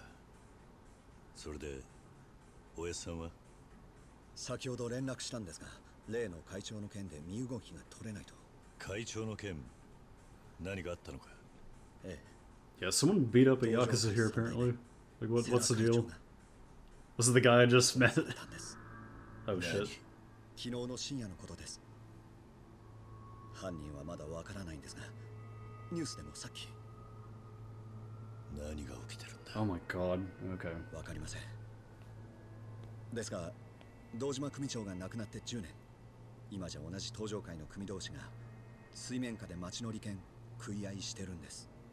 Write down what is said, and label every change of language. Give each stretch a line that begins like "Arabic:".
Japanese: はい。風間さんにはこの店開いた時から世話になってます。みかじめも取らず、商売の色派もわからない俺に、いろいろ教えてくれたんです。今、この店があるんです。そんな風間さんが先日店にいらっしゃったんです。大事な人を迎えたいからこの店を使わせてほしいって。なんか組の方には秘密ということで。うん。そうだったのか。それで。親さんは先ほど連絡したんですが、例の会長の件で身動きが取れないと。会長の件、何があったのか。ええ。
English: Yeah, someone beat up a Yakuza here apparently. Like, what's the deal? Was it the guy I just met? Oh shit.
Japanese: 昨日の深夜のことです。犯人はまだわからないんですが、ニュースでもさっき。何が起きてるんだ。
English: Oh my god. Okay.
Japanese: わかりません。ですが、堂島組長が亡くなって10年。今じゃ同じ登場会の組同士が水面下で町の利権食い合いしてるんです。